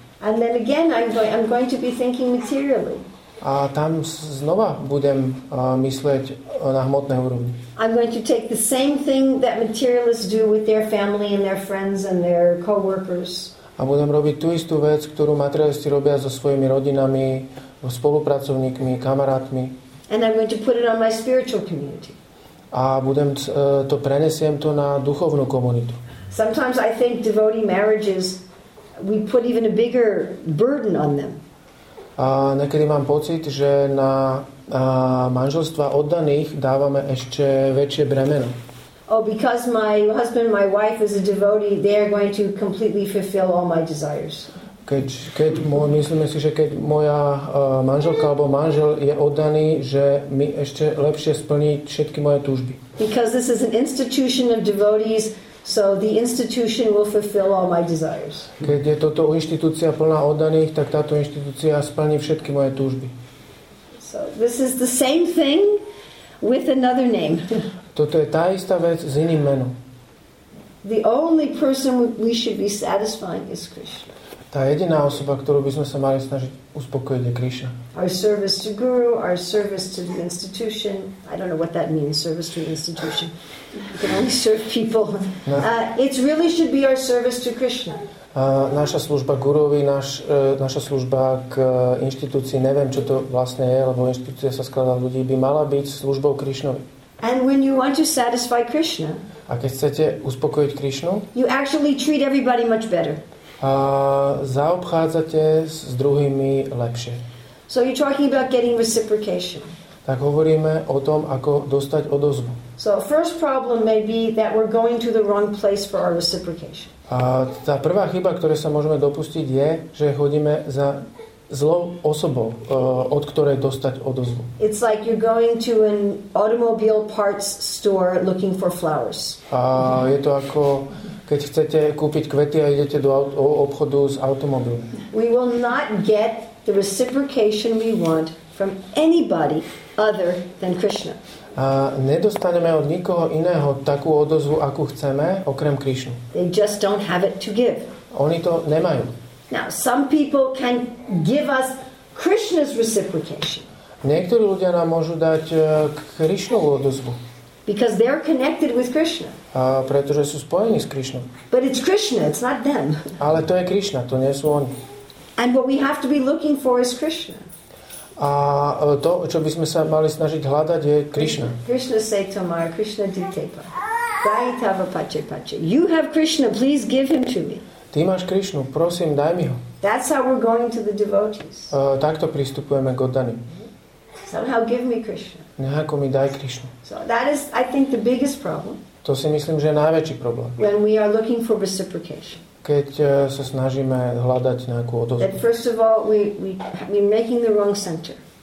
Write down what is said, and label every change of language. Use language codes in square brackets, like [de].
[en] And then again, I'm going to be thinking materially. [sk] A tam znova budem myslieť na hmotnej úrovni. [en] I'm going to take the same thing that materialists do with their family and their friends and their co-workers. [sk] A budem robiť tú istú vec, ktorú materialisti robia so svojimi rodinami, spolupracovníkmi, kamarátmi. [en] And I'm going to put it on my spiritual community. [sk] A budem to prenesiem to na duchovnú komunitu. [en] Sometimes I think devotee marriages, we put even a bigger burden on them. [sk] A niekedy mám pocit, že na manželstva oddaných dávame ešte väčšie bremeno. [en] Oh, because my husband, my wife is a devotee, they are going to completely fulfill all my desires. [sk] Myslíme si, že keď moja manželka alebo manžel je oddaný, že mi ešte lepšie splní všetky moje túžby. [en] Because this is an institution of devotees, so the institution will fulfill all my desires. [sk] Keď je toto inštitúcia plná oddaných, tak táto inštitúcia splní všetky moje túžby. [en] So this is the same thing with another name. [sk] Toto je tá istá vec s iným menom. [en] The only person we should be satisfying is Krishna. [sk] Tá jediná osoba, ktorú by sme sa mali snažiť uspokojiť, je Krishna. [en] Our service to guru, our service to the institution. I don't know what that means, service to the institution. You can only serve people. No. It really should be our service to Krishna. [sk] Naša služba guruvi, naša služba k inštitúcii, neviem, čo to vlastne je, lebo inštitúcia sa skladá ľudí, by mala byť službou Krishnovi. [en] And when you want to satisfy Krishna, [sk] a keď chcete uspokojiť Krishnu, [en] you actually treat everybody much better. [sk] Zaobchádzate s druhými lepšie. [en] So you're talking about getting reciprocation. [sk] Tak hovoríme o tom, ako dostať odozvu. [en] So first problem may be that we're going to the wrong place for our reciprocation. [sk] A tá prvá chyba, ktorú sa môžeme dopustiť, je, že chodíme za zlou osobou, od ktorej dostať odozvu. [en] It's like you're going to an automobile parts store looking for flowers. [sk] A je to ako keď chcete kúpiť kvety a idete do obchodu s automobilom. [en] We will not get the reciprocation we want from anybody other than Krishna. [sk] A nedostaneme od nikoho iného takú odozvu, akú chceme, okrem Krishnu. [en] They just don't have it to give. [sk] Oni to nemajú. [en] Now, some people can give us Krishna's reciprocation. [sk] Niektorí ľudia nám môžu dať Krishnovú odozvu. [en] Because they're connected with Krishna. [sk] A pretože sú spojení s Krishnou. [en] But it's Krishna, it's not them. [sk] Ale to je Krishna, to nie sú oni. [en] And what we have to be looking for is Krishna. [sk] A to, čo by sme sa mali snažiť hľadať, je Krishna. [bn] Krishna Saitamara, Krishna Ditepa. Daitava pache pache. [en] You have Krishna, please give him to me. [sk] Ty máš Krishnu, prosím, daj mi ho. [en] That's how we're going to the devotees. [sk] Takto pristupujeme k oddaným. [en] Somehow give me Krishna. [sk] Nejako mi daj Krishnu. [en] So that is, I think, the biggest problem. [sk] To si myslím, že je najväčší problém. [en] When we are looking for reciprocation. [sk] Keď sa snažíme hľadať nejakú odozvu. [en] That first of all, we're making the wrong center.